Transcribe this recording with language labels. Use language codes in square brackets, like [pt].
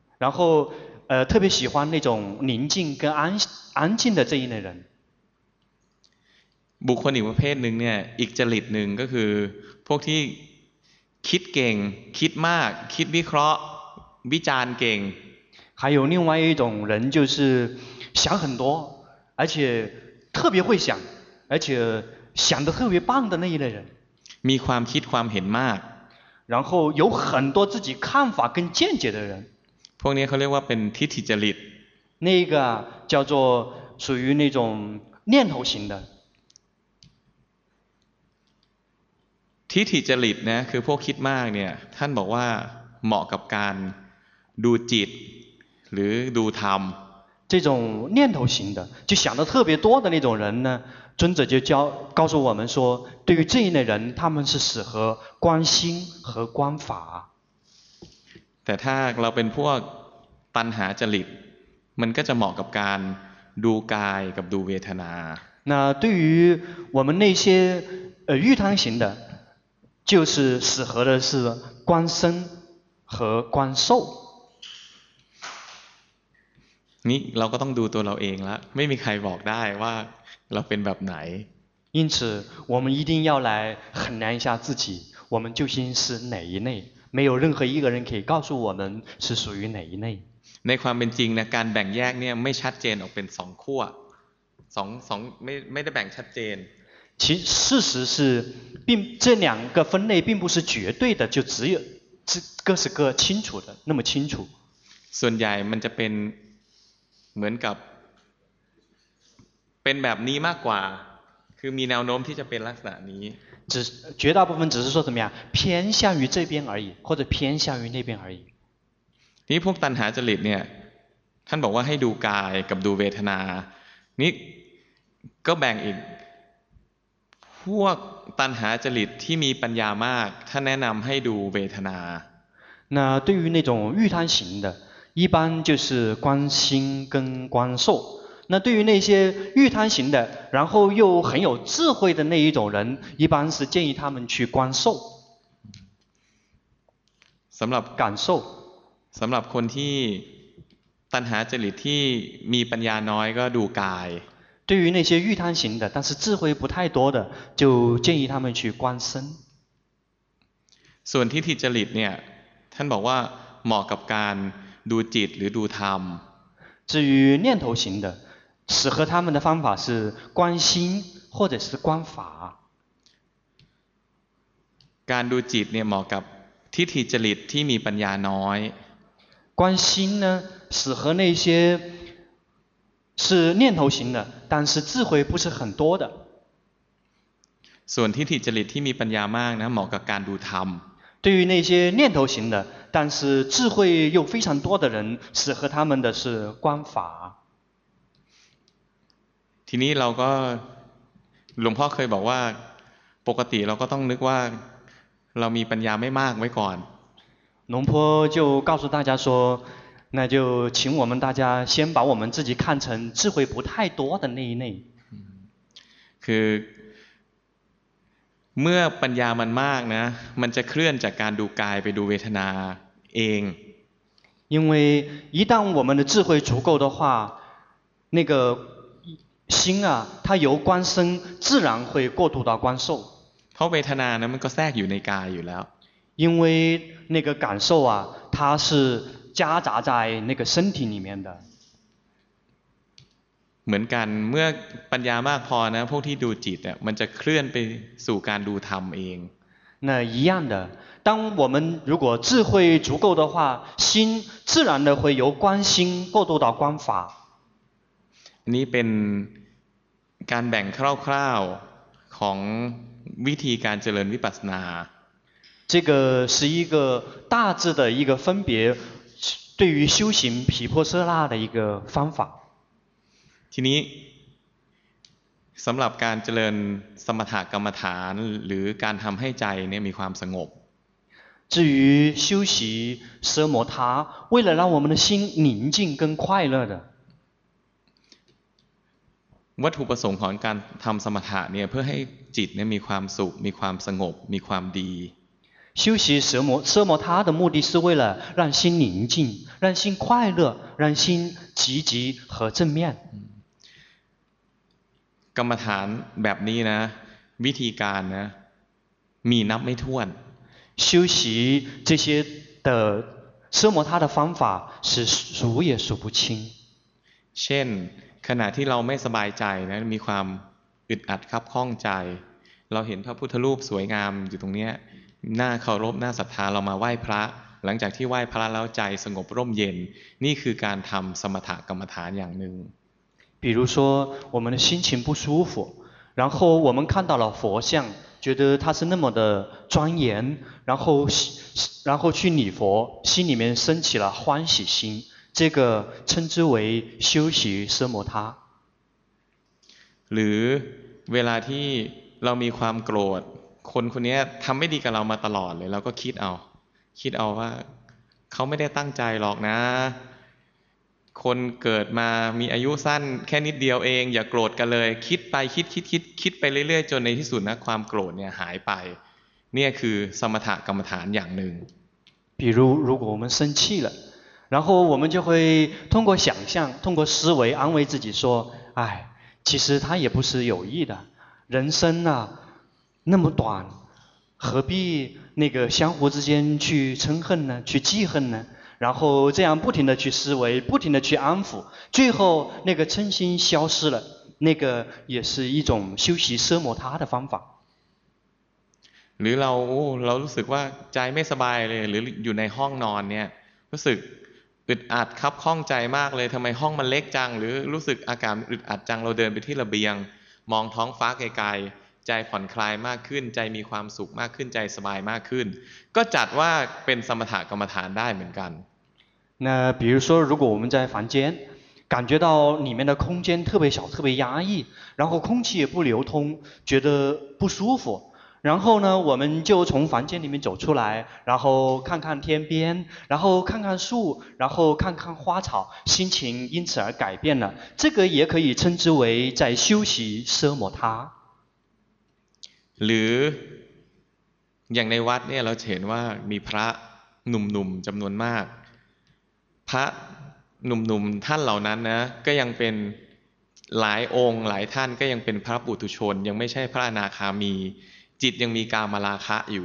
[zh] 然后特别喜欢那种宁静跟安静的这一类人。 [th] บุคคลอีกประเภทหนึ่งเนี่ยอีกจริตหนึ่งก็คือพวกที่คิดเก่งคิดมากคิดวิเคราะห์วิจารณ์เก่ง。 [zh] 还有另外一种人就是想很多，而且特别会想，而且想得特别棒的那一类人。 [th] มีความคิดความเห็นมาก。 [zh] 然后有很多自己看法跟见解的人。 [th] พวกนี้เขาเรียกว่าเป็นทิฏฐิจริต。 [zh] 那个叫做属于那种念头型的。 [th] ทิฏฐิจริตนะคือพวกคิดมากเนี่ยท่านบอกว่าเหมาะกับการดูจิตหรือดูธรรม。 [zh] 这种念头型的就想得特别多的那种人呢尊者就告诉我们说对于这一类人他们是适合观心和观法 [th] แต่ถ้าเราเป็นพวกตัณหาจริตมันก็จะเหมาะกับการดูกายกับดูเวทนา [zh] 那对于我们那些欲贪型的就是适合的是观身和观受 [th] นี่เราก็ต้องดูตัวเราเองละไม่มีใครบอกได้ว่าเราเป็นแบบไหน [zh] 因此我们一定要来衡量一下自己我们究竟是哪一类没有任何一个人可以告诉我们是属于哪一类 [th] ในความเป็นจริงนะการแบ่งแยกเนี่ยไม่ชัดเจนออกเป็น2ขั้ว2ไม่ได้แบ่งชัดเจน [zh] 其事实是并这两个分类并不是绝对的就只有各是各清楚的那么清楚 [th] ส่วนใหญ่มันจะเป็นเหมือนกับเป็นแบบนี้มากกว่าคือมีแนวโน้มที่จะเป็นลักษณะนี้ [zh] 只绝大部分只是说怎么样偏向于这边而已或者偏向于那边而已 [th] นี่พวกตัณหาจริตเนี่ยท่านบอกว่าให้ดูกายกับดูเวทนานี่ก็แบ่งอีกพวกตัณหาจริตที่มีปัญญามากท่านแนะนำให้ดูเวทนา [zh] 那对于那种欲贪型的一般就是观心跟观受那对于那些欲贪型的然后又很有智慧的那一种人一般是建议他们去观受 [th] สำหรับ [zh] 感受 [th] สำหรับคนที่ ตัณหาจริตที่มีปัญญาน้อยก็ดูกาย [zh] 对于那些欲贪型的但是智慧不太多的就建议他们去观身 [th] ส่วนทิฏฐิจริตเนี่ยท่านบอกว่าเหมาะกับการดูจิตหรือดูธรรม [zh] 至于念头型的适合他们的方法是观心或者是观法 [th] การดูจิตเนี่ยเหมาะกับทิฏฐิจริตที่มีปัญญาน้อย [zh] 观心呢适合那些是念头型的但是智慧不是很多的 [th] ส่วนทิฏฐิจริตที่มีปัญญามากนะเหมาะกับการดูธรรม [zh] 对于那些念头型的但是智慧又非常多的人适合他们的是观法 [th] ทีนี้เราก็หลวงพ่อเคยบอกว่าปกติเราก็ต้องนึกว่าเรามีปัญญาไม่มากไว้ก่อน [zh] 龙坡就告诉大家说那就请我们大家先把我们自己看成智慧不太多的那一类 [th] คือเมื่อปัญญามันมากนะมันจะเคลื่อนจากการดูกายไปดูเวทนาเอง [zh] 因为一旦我们的智慧足够的话那个心啊它由观身自然会过渡到观受 [th] เพราะเวทนานะมันก็แทรกอยู่ในกายอยู่แล้ว [zh] 因为那个感受啊它是夹杂在那个身体里面的 [th] เหมือนกันเมื่อปัญญามากพอนะพวกที่ดูจิตมันจะเคลื่อนไปสู่การดูธรรมเอง [zh] 那一样的当我们如果智慧足够的话心自然的会由观心过渡到观法 [th] อันนี้เป็นการแบ่งคร่าวๆของวิธีการเจริญวิปัสสนา [zh] 这个是一个大致的一个分别对于修行毗婆舍那的一个方法 [th] ทีนี้สำหรับการเจริญสมถกรรมฐานหรือการทำให้ใจเนี่ยมีความสงบ [zh] 至于修习奢摩他为了让我们的心宁静跟快乐的 [th] วัตถุประสงค์ของการทำสมถะเนี่ยเพื่อให้จิตเนี่ยมีความสุขมีความสงบมีความดี [zh] 修习奢摩他的目的是为了让心宁静让心快乐让心积极和正面 [th] กรรมฐานแบบนี้นะวิธีการนะมีนับไม่ถ้วน [zh] 修习这些的奢摩他的方法是数也数不清 [th] เช่นขณะที่เราไม่สบายใจนะมีความอึดอัดคับข้องใจเราเห็นพระพุทธรูปสวยงามอยู่ตรงเนี้ยน่าเคารพน่าศรัทธาเรามาไหว้พระหลังจากที่ไหว้พระแล้วใจสงบร่มเย็นนี่คือการทำสมถกรรมฐานอย่างหนึ่ง [zh] 比如说我们的心情不舒服然后我们看到了佛像觉得他是那么的庄严然后去礼佛心里面升起了欢喜心这个称之为修习奢摩他 [th] หรือเวลาที่เรามีความโกรธคนคนนี้ทำไม่ดีกับเรามาตลอดเลยเราก็คิดเอาว่าเขาไม่ได้ตั้งใจหรอกนะคนเกิดมามีอายุสั้นแค่นิดเดียวเองอย่าโกรธกันเลยคิดไปคิดไปเรื่อยๆจนในที่สุดนะความโกรธเนี่ยหายไปเนี่ยคือสมถกรรมฐานอย่างหนึ่ง [zh] 比如如果我们生气了然后我们就会通过想象通过思维安慰自己说哎其实他也不是有意的人生啊那么短何必那个相互之间去嗔恨呢去记恨呢然后这样不停地去思维不停地去安抚最后那个嗔心消失了那个也是一种修习奢摩他的方法 [th] หรือเรารู้สึกว่าใจไม่สบายเลยหรืออยู่ในห้องนอนเนี่ยรู้สึกอึดอัดคับข้องใจมากเลยทำไมห้องมันเล็กจังหรือรู้สึกอาการอึดอัดจังเราเดินไปที่ระเบียงมองท้องฟ้าไกลๆใจผ่อนคลายมากขึ้นใจมีความสุขมากขึ้นใจสบายมากขึ้นก็จัดว่าเป็นสมถกรรมฐานได้เหมือนกัน [zh] 那比如说如果我们在房间感觉到里面的空间特别小特别压抑然后空气也不流通觉得不舒服然后呢我们就从房间里面走出来然后看看天边然后看看树然后看看花草心情因此而改变了这个也可以称之为在修习奢摩他 [th] หรืออย่างในวัดเนี่ยเราเห็นว่ามีพระหนุ่มๆจำนวนมากพระ หนุ่มๆท่านเหล่านั้นนะก็ยังเป็นหลายองค์หลายท่านก็ยังเป็นพระปุถุชนยังไม่ใช่พระอนาคามีจิตยังมีกามราคะอยู